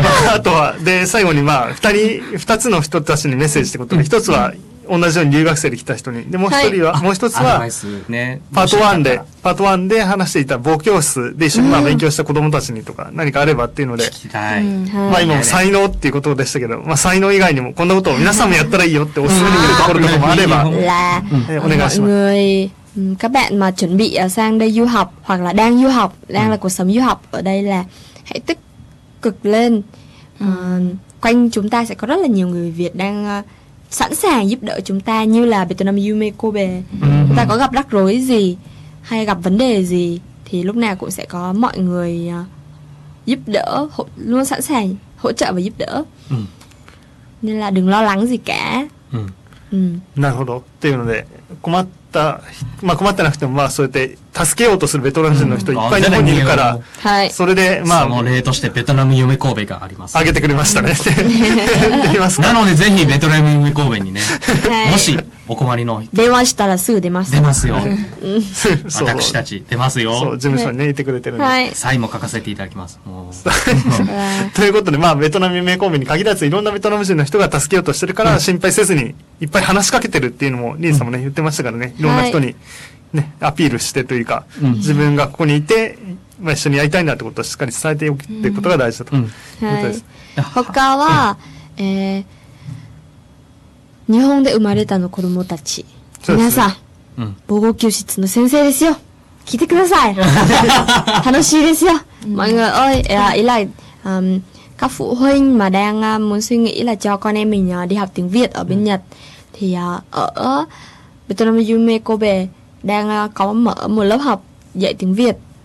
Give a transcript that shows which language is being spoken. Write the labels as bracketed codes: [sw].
[ja] あとはで最後にまあ二つの人たちにメッセージってことで、一つは同じように留学生で来た人に、でもう一人は、はい、もう一つはパート1で、パート1で話していた母教室で一緒にまあ勉強した子供たちにとか何かあればっていうので、聞きたい。まあ今も才能っていうことでしたけど、まあ才能以外にもこんなことを皆さんもやったらいいよっておすすめできるところとかもあれば、お願いします。 [vi] các bạn mà chuẩn bị sang đây du học hoặc là đang du học, đang là cuộc sống du học ở đây là hãy tích cực lên. Quanh chúng ta sẽ có rất là nhiều người Việt đang sẵn sàng giúp đỡ chúng ta, như là Vietnam Yume Kobe. Ta có gặp rắc rối gì hay gặp vấn đề gì thì lúc nào cũng sẽ có mọi người giúp đỡ, luôn sẵn sàng hỗ trợ và giúp đỡ. Nên là đừng lo lắng gì cả. [ja] なるほど。っていうので困った、まあ、困ってなくてもまあそうやって助けようとするベトナム人の人いっぱい日本にいるから、はい、それでまあその例としてベトナム夢神戸があります、あげてくれましたねなのでぜひベトナム夢神戸にねもしお困りの電話したらすぐ出ます、出ますよ私たち出ますよ、そう事務所にねいてくれてるんで、はい、サインも書かせていただきますもうということで、まあベトナム夢神戸に限らずいろんなベトナム人の人が助けようとしてるから、うん、心配せずにいっぱい話しかけてるっていうのもリンさんもね、うん、言ってましたからね、いろんな人に、ね、アピールしてというか、うん、自分がここにいて、まあ、一緒にやりたいんだってことをしっかり伝えておくってことが大事だと、うんうん、はい、他は、うん、日本で生まれたの子供たち、皆さん、防護教室の先生ですよ。聞いてください。楽しいですよ。 [vi] mọi người ơi, ý là các phụ huynh mà đang muốn suy nghĩ là cho con em mình đi học tiếng Việt ở bên Nhật thì ở Vietnam Yume Kobe đang có mở một lớp học dạy tiếng Việt.